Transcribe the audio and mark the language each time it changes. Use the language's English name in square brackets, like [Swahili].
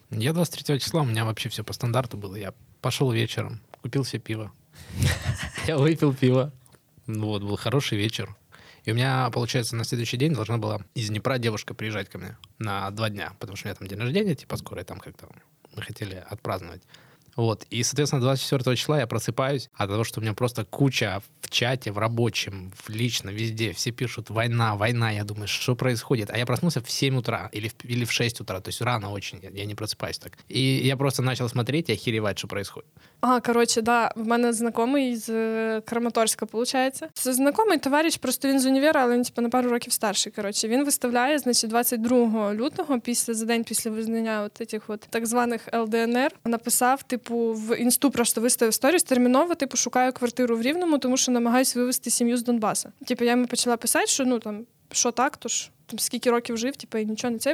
[Ukrainian] Я 23 числа, у мене взагалі все по стандарту було. Я пішов вечором, купив себе пиво. Я випив пиво. Ну, от, був хороший вечір. І у мене, виходить, на наступний день повинна була із Дніпра дівчинка приїжджати ко мені на 2 дні. Тому що у мене там [Russian] день рождения, [Ukrainian] типу, скоро, там як-то ми хотіли відпраздновати. [Russian] Вот. И, соответственно, 24 числа я просыпаюсь от того, что у меня просто куча в чате, в рабочем, в лично, везде. Все пишут «война, война». Я думаю, что происходит? А я проснулся в 7 утра или в 6 утра. То есть рано очень. Я не просыпаюсь так. И я просто начал смотреть и охеревать, что происходит. А, короче, да. У меня знакомый из Краматорска, получается. Знакомый товарищ, просто он из универа, но он типа на пару роков старше, короче. Он выставляет, значит, [Ukrainian] 22 лютого, за день после визнання [Russian] вот этих вот так [Ukrainian] званых ЛДНР, написав, типу, в інсту просто виставив сторіс, терміново, типу, шукаю квартиру в Рівному, тому що намагаюсь вивезти сім'ю з Донбаса. Типу, я йому почала писати, що, ну, там, що так, то ж, там, скільки років жив, типу, і нічого не це.